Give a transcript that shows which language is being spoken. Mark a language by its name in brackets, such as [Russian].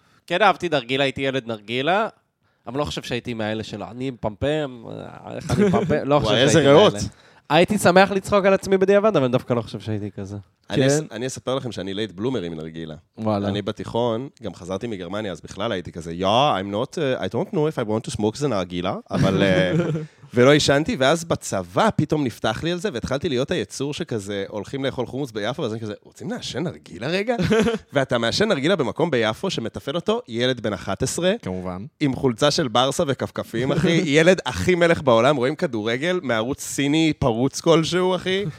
[Hebrew] כן אהבתי נרגילה, הייתי ילד נרגילה, אבל לא חושב שהייתי מהאלה שלו. אני פמפם, איך אני פמפם, לא חושב שהייתי מהאלה. וואי, איזה ראות. הייתי שמח לצחוק על עצמי בדיעבד, אבל דווקא לא חושב שהייתי כזה. אני אספר לכם שאני לייט בלומר עם נרגילה. וואלה. אני בתיכון, גם חזרתי מגרמניה, אז בכלל הייתי כזה, [English] yeah, I'm not, I don't know if I want to smoke the נרגילה, [Hebrew] אבל... ולא ישנתי, ואז בצבא פתאום נפתח לי על זה, והתחלתי להיות היצור שכזה, הולכים לאכול חומוס ביפו, ואז אני כזה, רוצים לעשן נרגילה רגע? ואתה מעשן נרגילה במקום ביפו, שמתפל אותו ילד בן 11. כמובן. עם חולצה של ברסה וקפקפים, אחי. ילד הכי מלך בעולם, רואים כדורגל, מערוץ סיני פרוץ כלשהו, אחי.